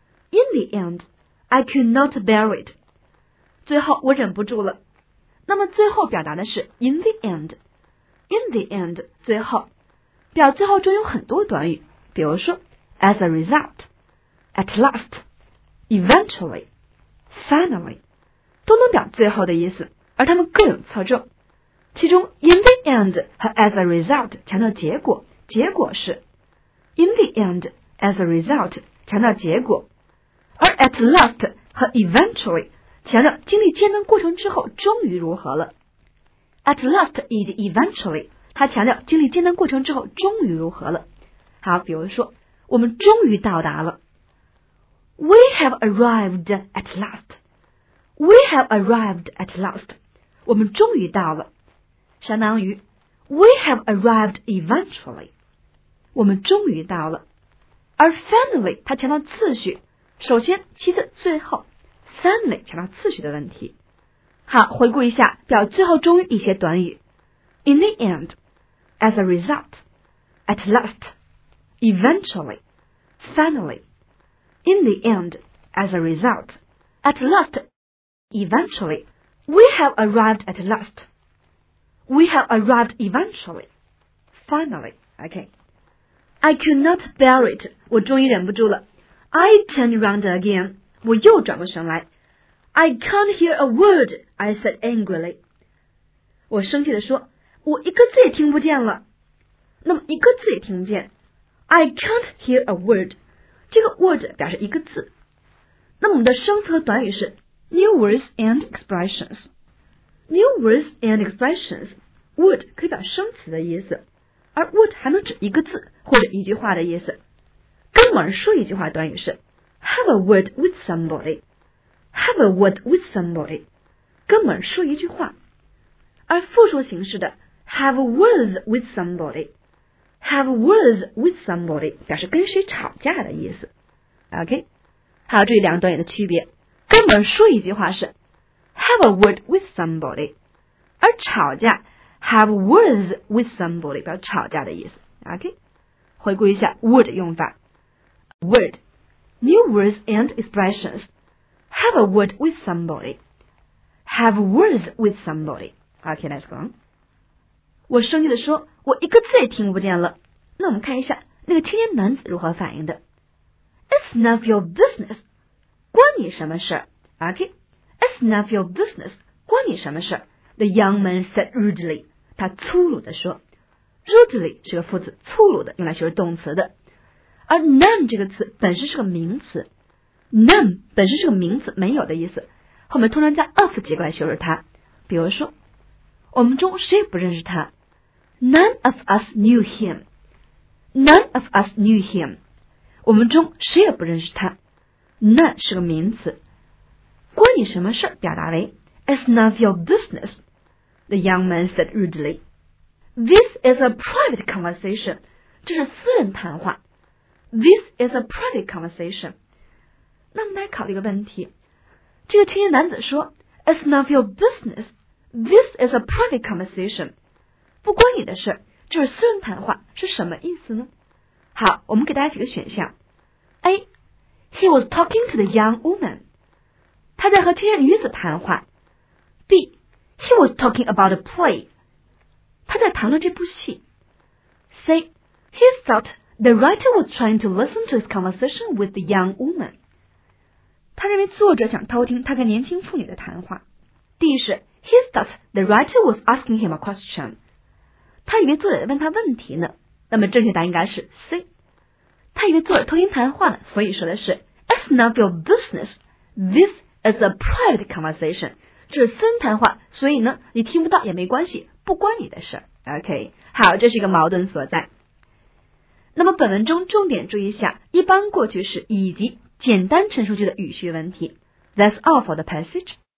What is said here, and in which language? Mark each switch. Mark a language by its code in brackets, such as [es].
[en] In the end, I could not bear it. [zh] 最后我忍不住了。那么最后表达的是 [en] in the end. In the end, [zh] 最后。表最后中有很多短语，比如说 [en] as a result, at last, eventually, finally, [zh] 都能表最后的意思，而它们各有侧重。其中 [en] in the end [zh] 和 [en] as a result [zh] 强调结果，结果是 [en] in the end, as a result [zh] 强调结果，而 [en] at last [zh] 和 eventually 强调经历艰难过程之后终于如何了。 [en] at last and eventually [zh] 他强调经历艰难过程之后终于如何了。好，比如说我们终于到达了。 [en] We have arrived at last. We have arrived at last. [zh] 我们终于到了。相当于 [en] We have arrived eventually. [zh] 我们终于到了。而 finally, 他强调次序。首先其次最后。 Finally, 强调次序的问题。好，回顾一下表最后终于一些短语。 [en] In the end, as a result, at last, eventually, finally. In the end, as a result, at last, eventually, we have arrived at last. We have arrived eventually, finally. Okay. I could not bear it. [zh] 我终于忍不住了。 [en] I turned around again. [zh] 我又转过身来。 [en] I can't hear a word, I said angrily. [zh] 我生气地说我一个字也听不见了。那么一个字也听不见。 [en] I can't hear a word. [zh] 这个 word 表示一个字。那么我们的生词和短语是 [en] new words and expressions. New words and expressions. [zh] Word 可以表生词的意思。而 word 还能指一个字或者一句话的意思。跟某人说一句话短语是 [en] have a word with somebody. Have a word with somebody. [zh] 跟某人说一句话。而复数形式的 [en] have words with somebody, have words with somebody [zh] 表示跟谁吵架的意思。 OK, 还有这两段语的区别，跟我们说一句话是 [en] have a word with somebody, [zh] 而吵架 [en] have words with somebody [zh] 表示吵架的意思。 OK, 回顾一下 word 用法。 [en] Word, new words and expressions, have a word with somebody, have words with somebody. Okay, let's go. [zh] 我生气地说，我一个字也听不见了。那我们看一下那个青年男子如何反应的。 [en] It's none of your business. [zh] 关你什么事？Okay. [en] It's none of your business. [zh] 关你什么事？ [en] The young man said rudely. [zh] 他粗鲁地说。 Rudely 是个副词，粗鲁的，用来修饰动词的。而 none 这个词本身是个名词。 None 本身是个名词，没有的意思。后面通常加of结构来修饰它。比如说我们中谁也不认识他。 [en] None of us knew him. None of us knew him. [zh] 我们中谁也不认识他。 None 是个名词。关你什么事表达为 [en] It's none of your business. The young man said rudely. This is a private conversation. [zh] 这是私人谈话。 [en] This is a private conversation. [zh] 那我们来考虑一个问题。这个青年男子说 [en] It's none of your business. This is a private conversation. [zh] 不关你的事，这是私人谈话，是什么意思呢？好，我们给大家几个选项。 [en] A. He was talking to the young woman. [zh] 他在和青年女子谈话。 [en] B. He was talking about a play. [zh] 他在谈论这部戏。 [en] C. He thought the writer was trying to listen to his conversation with the young woman. [zh] 他认为作者想偷听他跟年轻妇女的谈话。 [en] D. 是He thought the writer was asking him a question. [zh] 他以为作者在问他问题呢。那么正确答应该是 C. 他以为作者偷听谈话呢，所以说的是 [en] It's none of your business. This is a private conversation. [zh] 这是私人谈话，所以呢，你听不到也没关系，不关你的事。 OK, 好，这是一个矛盾所在。那么本文中重点注意一下一般过去式以及简单陈述句的语序问题。 [en] That's all for the passage.